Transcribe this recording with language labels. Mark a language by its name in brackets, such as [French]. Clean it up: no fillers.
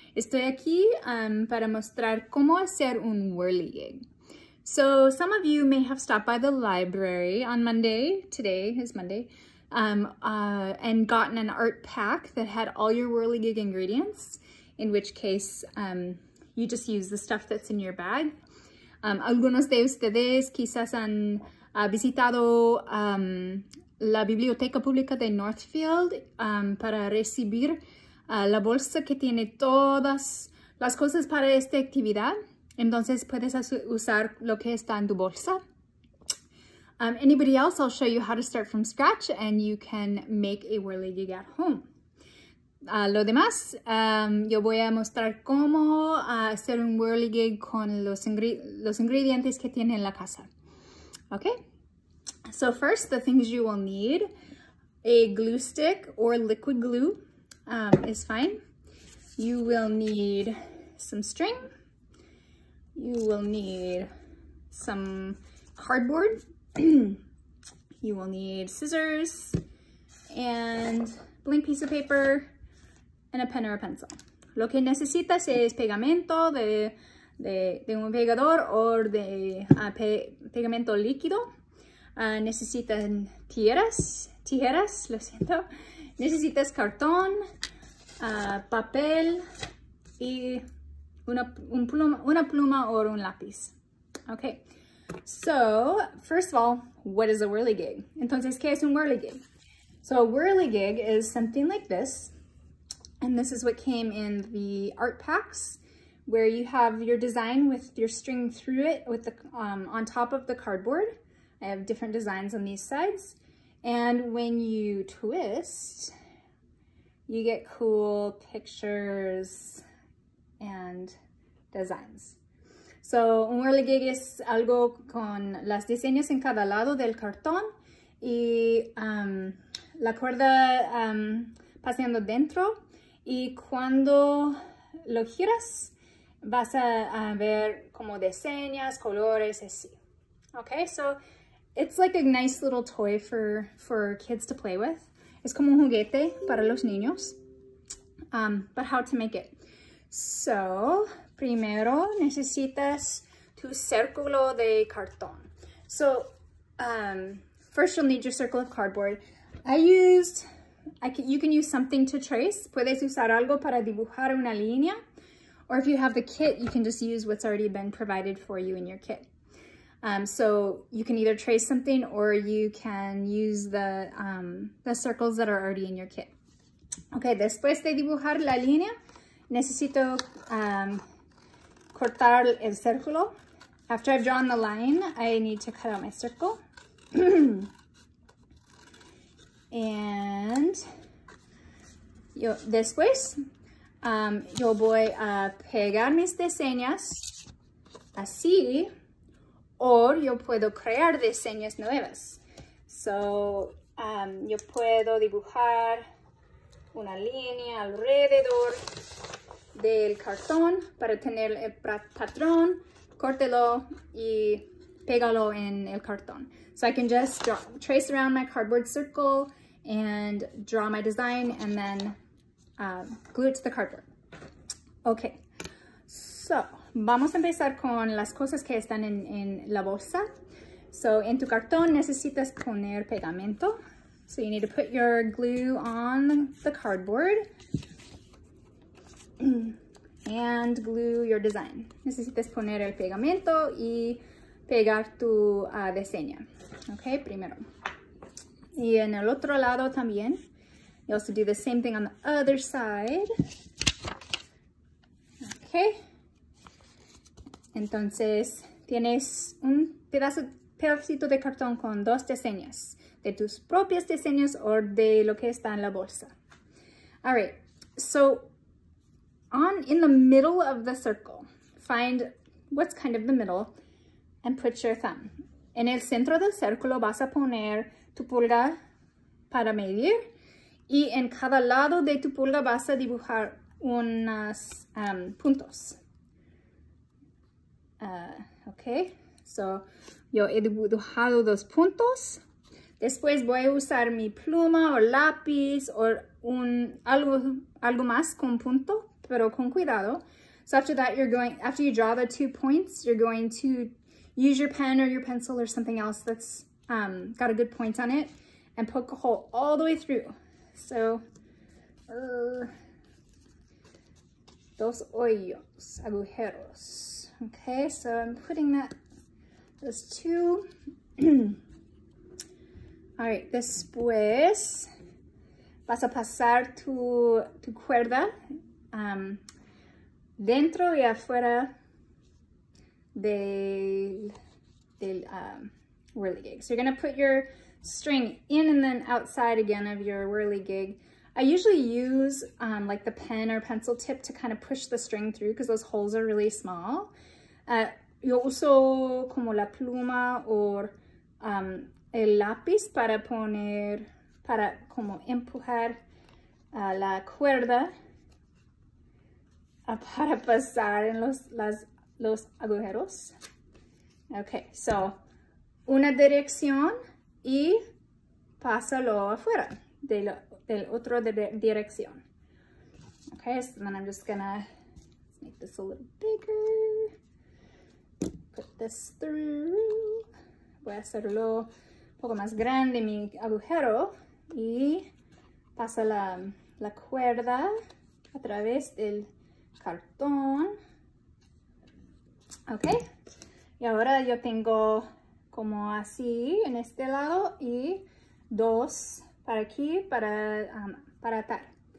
[Spanish] Estoy aquí para mostrar cómo hacer un whirligig. [English] So some of you may have stopped by the library on Monday, today is Monday, and gotten an art pack that had all your whirligig ingredients, in which case, you just use the stuff that's in your bag. [Spanish] Algunos de ustedes quizás han visitado la biblioteca pública de Northfield para recibir la bolsa que tiene todas las cosas para esta actividad. Entonces puedes usar lo que está en tu bolsa. [English] Anybody else, I'll show you how to start from scratch and you can make a whirligig at home. [Spanish] Lo demás, yo voy a mostrar cómo hacer un whirligig con los ingredientes que tiene en la casa. [English] Okay, so first, the things you will need: a glue stick or liquid glue is fine. You will need some string. You will need some cardboard. You will need scissors and a blank piece of paper. And a pen or a pencil. [Spanish] Lo que necesitas es pegamento de un pegador o de pegamento líquido. Necesitas tijeras, lo siento. Necesitas cartón, papel y una pluma o un lápiz. [English] Okay. So, first of all, what is a whirligig? [Spanish] Entonces, ¿qué es un whirligig? [English] So, a whirligig is something like this. And this is what came in the art packs, where you have your design with your string through it with the on top of the cardboard. I have different designs on these sides. And when you twist, you get cool pictures and designs. [Spanish] So, un whirligig es algo con las diseños en cada lado del cartón y la cuerda paseando dentro. Y cuando lo giras, vas a ver como diseñas, colores, así. [English] Okay, so it's like a nice little toy for kids to play with. [Spanish] Es como un juguete para los niños. [English] But how to make it? [Spanish] So, primero necesitas tu círculo de cartón. [English] So, first you'll need your circle of cardboard. You can use something to trace. [Spanish] Puedes usar algo para dibujar una línea. [English] Or if you have the kit, you can just use what's already been provided for you in your kit. So you can either trace something or you can use the circles that are already in your kit. [Spanish] Okay, después de dibujar la línea, necesito cortar el círculo. [English] After I've drawn the line, I need to cut out my circle. [Spanish] And yo, después, yo voy a pegar mis diseños así, o yo puedo crear diseños nuevas. So, yo puedo dibujar una línea alrededor del cartón para tener el patrón, córtelo y pégalo en el cartón. [English] So I can just trace around my cardboard circle and draw my design and then glue it to the cardboard. [Spanish] Okay, so vamos a empezar con las cosas que están en la bolsa. So en tu cartón necesitas poner pegamento. [English] So you need to put your glue on the cardboard and glue your design. [Spanish] Necesitas poner el pegamento y pegar tu diseño. Okay, primero. Y en el otro lado también. [English] You also do the same thing on the other side. Okay. [Spanish] Entonces, tienes un pedacito de cartón con dos diseños. De tus propios diseños o de lo que está en la bolsa. [English] All right. So, in the middle of the circle, find what's kind of the middle and put your thumb. [Spanish] En el centro del círculo vas a poner tu pulga para medir y en cada lado de tu pulga vas a dibujar unos puntos. Okay, so yo he dibujado dos puntos. Después voy a usar mi pluma o lápiz o algo más con punto, pero con cuidado. [English] So after that, after you draw the two points, you're going to use your pen or your pencil or something else that's got a good point on it and poke a hole all the way through. [Spanish] So, dos hoyos, agujeros. [English] Okay, so I'm putting that, those two. [Spanish] All right, después vas a pasar tu cuerda dentro y afuera del whirligig. [English] So you're gonna put your string in and then outside again of your whirligig. I usually use like the pen or pencil tip to kind of push the string through because those holes are really small. [Spanish] Yo uso como la pluma o el lápiz para como empujar la cuerda para pasar en los agujeros. Okay, so una dirección y pásalo afuera del otro dirección. [English] Okay, so then I'm just gonna make this a little bigger. Put this through. [Spanish] Voy a hacerlo un poco más grande mi agujero y pasa la cuerda a través del cartón. Okay, y ahora yo tengo como así en este lado y dos para aquí para atar.